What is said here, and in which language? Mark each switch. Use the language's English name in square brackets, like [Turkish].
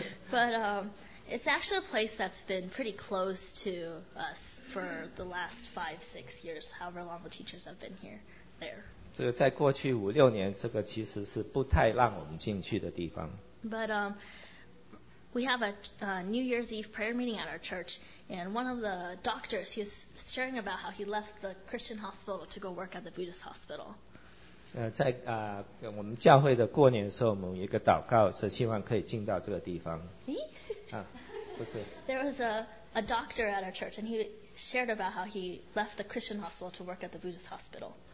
[English] But it's actually a place that's been pretty close to us for the last 5-6 years, however long the teachers have been here, there. [Chinese] 这个在过去五六年，这个其实是不太让我们进去的地方。 [English] But we have a New Year's Eve prayer meeting at our church, and one of the doctors, he was sharing about how he left the Christian hospital to go work at the Buddhist hospital. [Chinese] 在我们教会的过年的时候，我们有一个祷告，是希望可以进到这个地方。不是。 [English] There was a doctor at our church, and he shared about how he left the Christian hospital to work at the Buddhist hospital.